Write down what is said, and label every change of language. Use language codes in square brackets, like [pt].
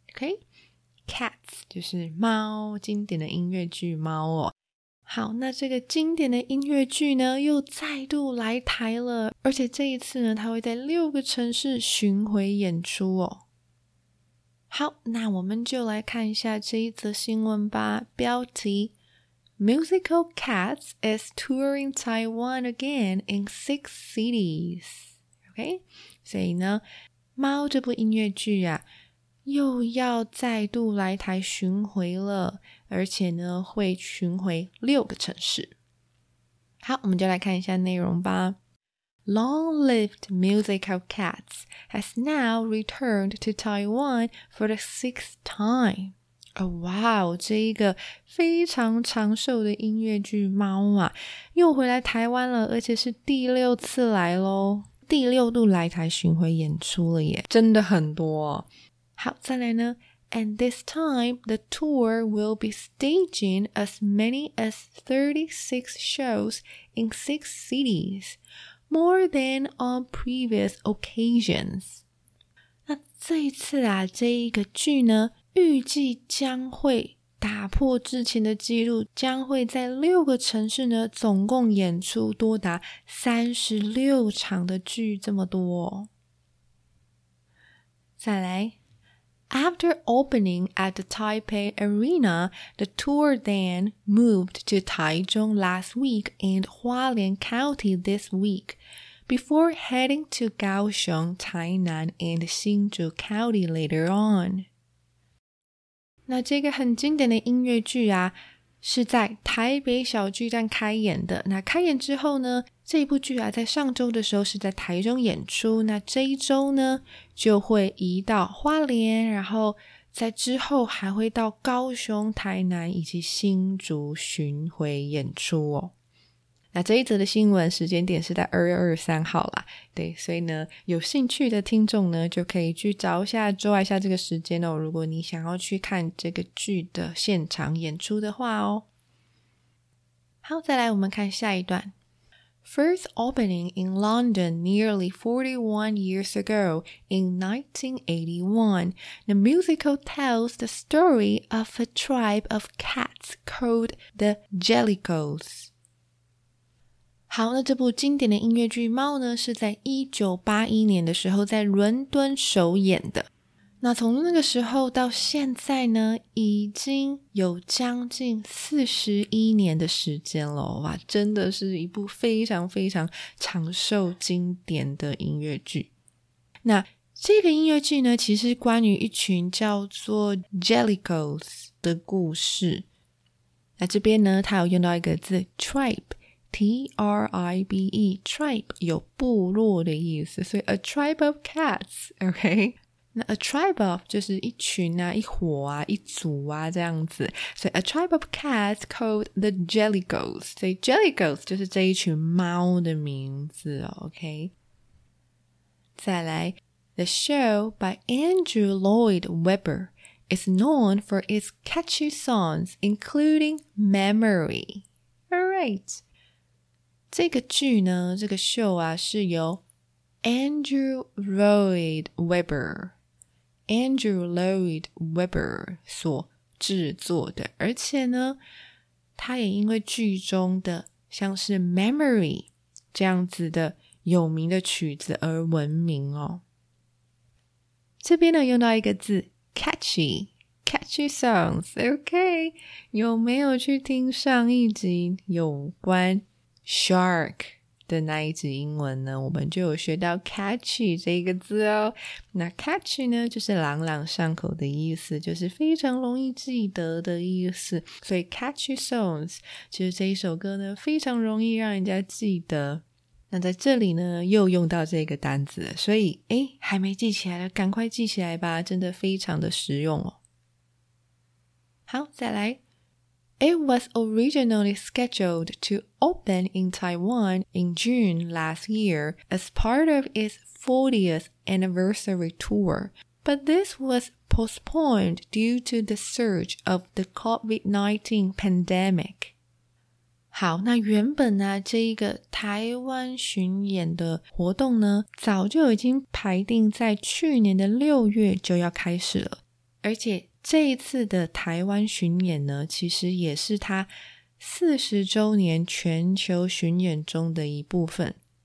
[zh] OK， Cats 就是猫，经典的音乐剧猫哦。好，那这个经典的音乐剧呢又再度来台了，而且这一次呢它会在六个城市巡回演出哦。好，那我们就来看一下这一则新闻吧。 [en] 标题 Musical Cats is touring Taiwan again in six cities. [zh] OK， 所以呢，猫这部音乐剧啊又要再度来台巡回了，而且呢会巡回六个城市。好，我们就来看一下内容吧。 [en] Long-lived musical Cats has now returned to Taiwan for the sixth time. [zh] Oh, wow, 这一个非常长寿的音乐剧猫啊又回来台湾了，而且是第六次来咯，第六度来台巡回演出了耶，真的很多。好，再来呢， [en] And this time the tour will be staging as many as 36 shows in six cities. More than on previous occasions. [zh] 那这一次啊，这一个剧呢，预计将会打破之前的记录，将会在六个城市呢，总共演出多达36场的剧，这么多哦。再来。 [en] After opening at the Taipei Arena, the tour then moved to Taichung last week and Hualien County this week, before heading to Kaohsiung, Tainan, and Hsinchu County later on. [zh] 那这个很经典的音乐剧啊，是在台北小巨蛋开演的。那开演之后呢，这部剧啊，在上周的时候是在台中演出，那这一周呢就会移到花莲，然后在之后还会到高雄、台南以及新竹巡回演出哦。那这一则的新闻时间点是在2月23号啦，对，所以呢有兴趣的听众呢就可以去找一下周一下这个时间哦，如果你想要去看这个剧的现场演出的话哦。好，再来我们看下一段。 First opening in London nearly 41 years ago in 1981, the musical tells the story of a tribe of cats called the Jellicoes. 好，那这部经典的音乐剧《猫》呢，是在1981年的时候在伦敦首演的。那从那个时候到现在呢，已经有将近41年的时间了，哇，真的是一部非常非常长寿经典的音乐剧。那这个音乐剧呢，其实是关于一群叫做 Jellicoes 的故事。那这边呢，它有用到一个字 tribe。 T-R-I-B-E, tribe 有部落的意思，所以 [en] a tribe of cats, [zh] OK? 那 [en] a tribe of 就是一群啊，一伙啊，一组啊，这样子，所以 a tribe of cats called the Jellicoes, [zh] 所以 Jellicoes 就是这一群猫的名字哦， OK? 再来， [en] The show by Andrew Lloyd Webber is known for its catchy songs, including Memory. Alright. [zh] 这个剧呢，这个秀啊，是由 Andrew Lloyd Webber Andrew Lloyd Webber 所制作的，而且呢他也因为剧中的像是 Memory 这样子的有名的曲子而闻名哦。这边呢用到一个字 Catchy Catchy songs OK， 有没有去听上一集有关Shark 的那一集英文呢，我们就有学到 catchy 这个字哦。那 catchy 呢，就是朗朗上口的意思，就是非常容易记得的意思。所以 catchy songs 其实这一首歌呢，非常容易让人家记得。那在这里呢，又用到这个单字，所以诶，还没记起来的，赶快记起来吧，真的非常的实用哦。好，再来。 [en] It was originally scheduled to open in Taiwan in June last year as part of its 40th anniversary tour, but this was postponed due to the surge of the COVID-19 pandemic. [zh] 好，那原本呢，这一个台湾巡演的活动呢，早就已经排定在去年的六月就要开始了，而且这一次的台湾巡演呢，其实也是他40周年全球巡演中的一部分。